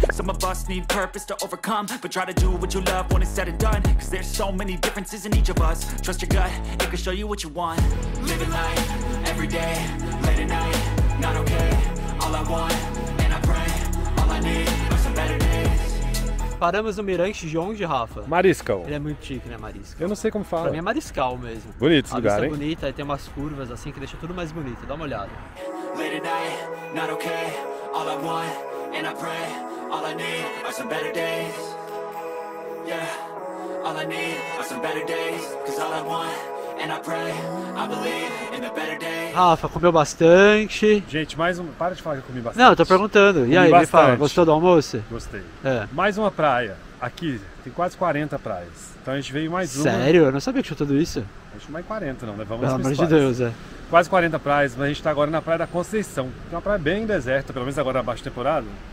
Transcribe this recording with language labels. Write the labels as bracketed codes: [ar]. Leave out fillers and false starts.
[en] Some of us need purpose to overcome. But try to do what you love when it's said and done. Cause there's so many differences in each of us. Trust your gut, it can show you what you want. Living life, every day, late at night, not okay. All I want, and I pray, all I need are some better days. [pt] Paramos no mirante de onde, Rafa? Mariscal. Ele é muito chique, né, Mariscal? Eu não sei como fala. Pra mim é Mariscal mesmo. Bonito esse lugar, hein? A vista é bonita, tem umas curvas assim que deixa tudo mais bonito. Dá uma olhada. [en] Late at night, not okay. All I want, and I pray. All I need are some better days. Yeah, all I need are some better days. Cause all I want, and I pray. I believe in the better days. [pt] Rafa, comeu bastante. Gente, mais um. Para de falar que eu comi bastante. Não, eu tô perguntando. E aí, me fala, gostou do almoço? Gostei. É. Mais uma praia. Aqui tem quase 40 praias. Então a gente veio mais Sério? Uma. Sério? Eu não sabia que tinha tudo isso. A gente mais 40, não, né? Vamos lá. Pelo amor de Deus, é. Quase 40 praias, mas a gente tá agora na Praia da Conceição. Que é uma praia bem deserta, pelo menos agora abaixo de temporada.